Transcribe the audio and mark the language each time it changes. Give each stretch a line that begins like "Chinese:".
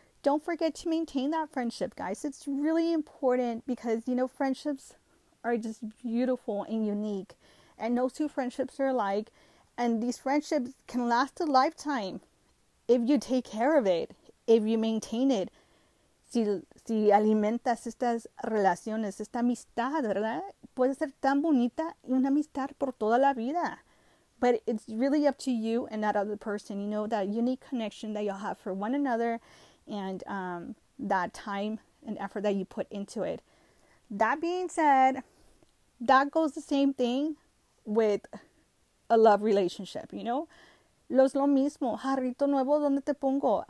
English: Don't forget to maintain that friendship, guys. It's really important because friendships are just beautiful and unique, and no two friendships are alike. And these friendships can last a lifetime if you take care of it, if you maintain it.
Spanish: Si alimentas estas relaciones, esta amistad, ¿verdad? Puede ser tan bonita y una amistad por toda la vida.
English: But it's really up to you and that other person, that unique connection that you'll have for one another and that time and effort that you put into it. That being said, that goes the same thing with a love relationship,
Spanish: Los lo mismo, jarrito nuevo, ¿dónde te pongo?